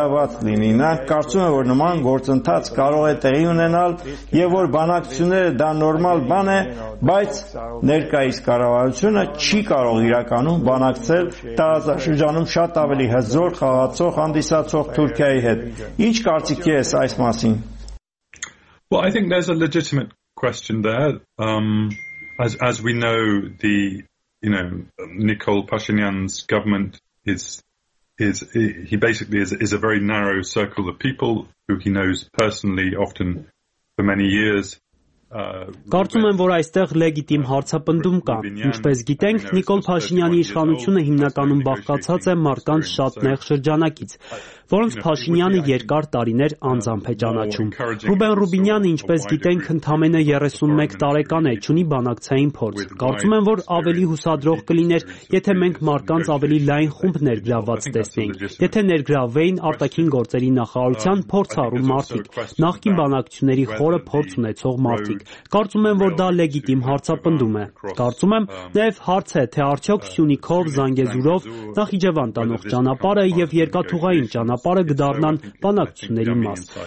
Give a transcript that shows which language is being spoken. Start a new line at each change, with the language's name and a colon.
Armenian: գրաված լինի։ Նախ կարծում եմ, որ նման գործընթաց կարող է տեղի ունենալ եւ որ բանակցությունները դա նորմալ բան է, բայց ներկայիս կառավարությունը չի կարող իրականում բանակցել տարածաշրջանում շատ ավելի հզոր խաղացող հանդիսացող Թուրքիայի հետ։ Ինչ կարծիք ես այս մասին։
English: Well, I think there's a legitimate question there. As we know, the Nikol Pashinyan's government is basically a very narrow circle of people who he knows personally, often for many years.
Armenian: Կարծում եմ, որ այստեղ լեգիտիմ հարցապնդում կա։ Ինչպես գիտենք, Նիկոլ Փաշինյանի իշխանությունը հիմնականում բաղկացած է մարդկանց շատ նեղ շրջանակից, որոնց Փաշինյանը երկար տարիներ անձամբ է ճանաչում։ Ռուբեն Ռուբինյանը, ինչպես գիտենք, ընդամենը 31 տարեկան է, ունի բանակցային փորձ։ Կարծում եմ, որ ավելի հուսադրող կլիներ, եթե մենք մարդկանց ավելի լայն խումբ ներգրավված տեսնեինք, եթե ներգրավեին արտաքին գործերի նախարարության փորձ առու մարդիկ, նախկին բանակցությունների խորը փորձ ունեցող մարդիկ։ Կարծում եմ, որ դա լեգիտիմ հարցապնդում է։ Կարծում եմ, նաև հարց է, թե արդյոք Սյունիքով, Զանգեզուրով, Նախիջևան տանող ճանապարհը եւ երկաթուղային ճանապարհը կդառնան բանակցությունների մաս։